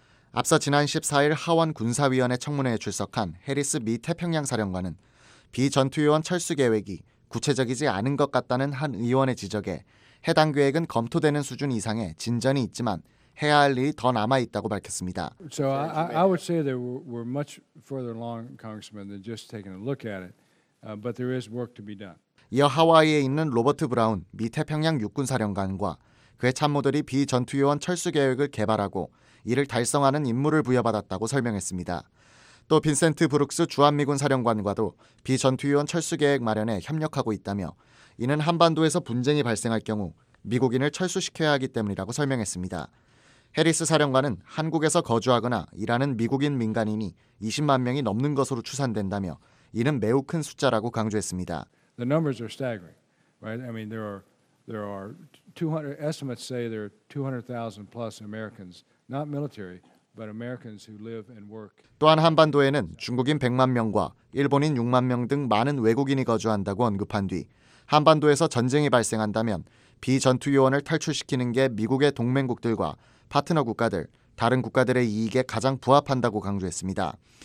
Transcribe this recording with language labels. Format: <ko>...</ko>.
<ko>앞서 지난 14일 하원 군사위원회 청문회에 출석한 해리스 미 태평양 사령관은 비전투요원 철수 계획이 구체적이지 않은 것 같다는 한 의원의 지적에 해당 계획은 검토되는 수준 이상의 진전이 있지만 해야 할 일이 더 남아 있다고 밝혔습니다.</ko> <en>So I would say that we're much further along, Congressman, than just taking a look at it, but there is work to be done.</en> <ko>이어 하와이에 있는 로버트 브라운 미 태평양 육군 사령관과 그의 참모들이 비전투요원 철수 계획을 개발하고 이를 달성하는 임무를 부여받았다고 설명했습니다. 또 빈센트 브룩스 주한미군 사령관과도 비전투요원 철수 계획 마련에 협력하고 있다며 이는 한반도에서 분쟁이 발생할 경우 미국인을 철수시켜야 하기 때문이라고 설명했습니다. 해리스 사령관은 한국에서 거주하거나 일하는 미국인 민간인이 20만 명이 넘는 것으로 추산된다며 이는 매우 큰 숫자라고 강조했습니다.</ko> <en>The numbers are staggering, right? I mean, there are 200 estimates say there are 200,000 plus Americans, not military, but Americans who live and work.</en> <ko>또한 한반도에는 중국인 100만 명과 일본인 6만 명 등 많은 외국인이 거주한다고 언급한 뒤 한반도에서 전쟁이 발생한다면 비전투 요원을 탈출시키는 게 미국의 동맹국들과 파트너 국가들, 다른 국가들의 이익에 가장 부합한다고 강조했습니다.</ko>